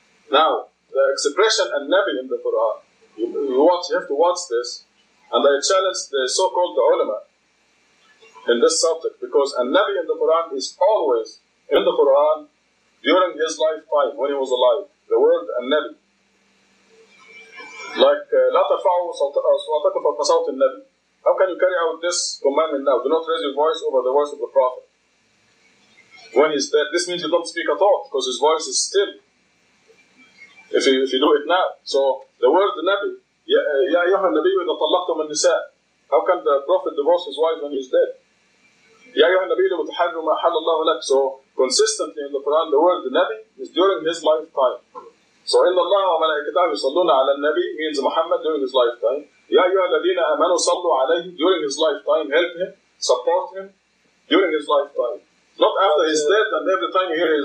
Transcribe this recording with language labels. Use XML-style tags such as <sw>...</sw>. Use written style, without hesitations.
<en>Now, the expression and Nabi in the Quran, you have to watch this, and I challenge the so-called ulama in this subject, because a Nabi in the Quran is always in the Quran during his lifetime, when he was alive, the word a Nabi.</en> <ar>Like, لا ترفعوا صوتكم فوق صوت النبي.</ar> <en>How can you carry out this commandment now? Do not raise your voice over the voice of the Prophet. When he's dead, this means you don't speak at all, because his voice is still. If you do it now. So, the word Nabi,</en> <ar>يا أيها النبي إذا طلقتم النساء.</ar> <en>How can the Prophet divorce his wife when he's dead?</en> <ar>يا أيها النبي لو تحرم ما حل الله لك.</ar> <en>So, consistently in the Quran, the word Nabi is during his lifetime. So,</en> <ar>إِنَّ اللَّهَ وَمَلَائِكَتَهُ يُصَلُّونَ عَلَى النَّبِيِّ</ar> <en>means Muhammad during his lifetime.</en> <ar>يَا أَيُّهَا الَّذِينَ آمَنُوا صَلُّوا عَلَيْهِ</ar> <en>during his lifetime. Help him, support him during his lifetime. Not after he's dead and every time you hear his</en>